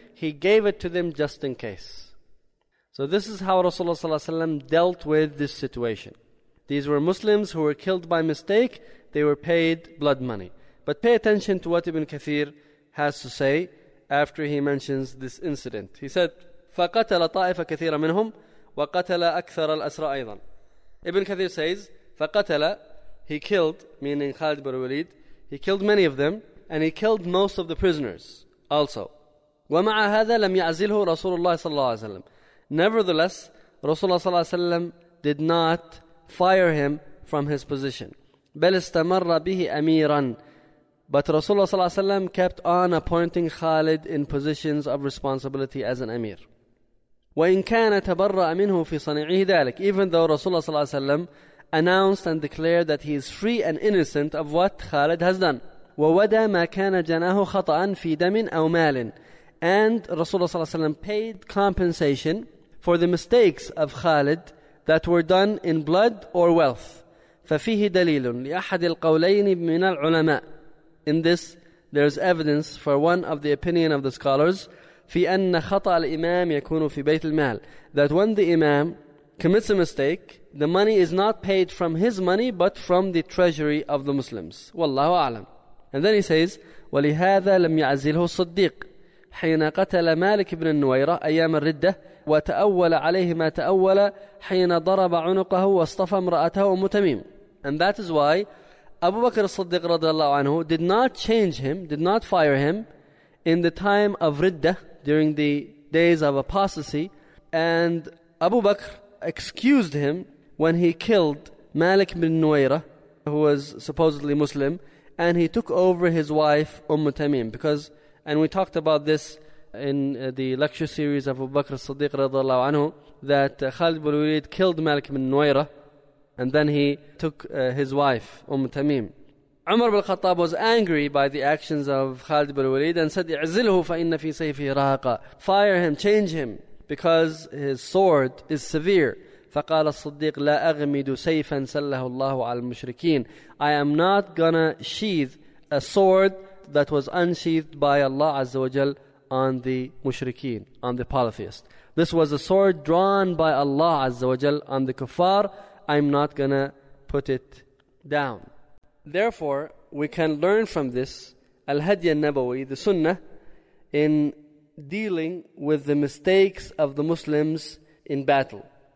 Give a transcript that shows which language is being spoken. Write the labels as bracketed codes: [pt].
[en] He gave it to them just in case. So this is how Rasulullah sallallahu alaihi wasallam dealt with this situation. These were Muslims who were killed by mistake. They were paid blood money. But pay attention to what Ibn Kathir has to say after he mentions this incident. He said, [ar] فقتل طائفة كثيرة منهم وقتل أكثر الأسرى أيضا. [en] ابن كثير says فقتل, he killed, meaning Khalid bin Walid, he killed many of them and he killed most of the prisoners also. [ar] ومع هذا لم يعزله رسول الله صلى الله عليه وسلم. [en] Nevertheless, رسول الله صلى الله عليه وسلم did not fire him from his position. [ar] بل استمر به أميرا. [en] But رسول الله صلى الله عليه وسلم kept on appointing Khalid in positions of responsibility as an Amir. [ar] وإن كان تبرأ منه في صنيعه ذلك. [en] Even though رسول الله صلى الله عليه وسلم announced and declared that he is free and innocent of what Khalid has done. [ar] وودى ما كان جناه خطأ في دم أو مال. [en] And Rasulullah sallallahu alayhi wa sallam paid compensation for the mistakes of Khalid that were done in blood or wealth. [ar] ففيه دليل لأحد القولين من العلماء. [en] In this, there is evidence for one of the opinion of the scholars [ar] في أن خطأ الإمام يكون في بيت المال. [en] That when the Imam commits a mistake, the money is not paid from his money but from the treasury of the Muslims. [ar] والله أعلم. [en] And then he says, [ar] ولهذا لم يعزله الصديق حين قتل مالك بن النويرة أيام الردة وتأول عليه ما تأول حين ضرب عنقه واصطفى امرأته أم تميم. [en] And that is why أبو بكر الصديق رضي الله عنه did not change him, did not fire him in the time of ردة, during the days of apostasy. And أبو بكر excused him when he killed مالك بن النويرة, who was supposedly Muslim, and he took over his wife أم تميم. Because, and we talked about this in the lecture series of Abu Bakr as-Siddiq radiallahu anhu, that Khalid bin Walid killed Malik bin Nuwayra and then he took his wife, Umm Tamim. Umar bin Khattab was angry by the actions of Khalid bin Walid and said, [ar] "I'zilhu fa inna fi sayfi rahaqa." [en] Fire him, change him, because his sword is severe. [ar] فقال الصديق لا أغمد سيفا سله الله على المشركين. [en] I am not gonna sheath a sword that was unsheathed by Allah Azza wa Jal on the mushrikeen, on the polytheist. This was a sword drawn by Allah Azza wa Jal on the kuffar. I'm not gonna put it down. Therefore, we can learn from this al-hadi al-nabawi, the sunnah, in dealing with the mistakes of the Muslims in battle.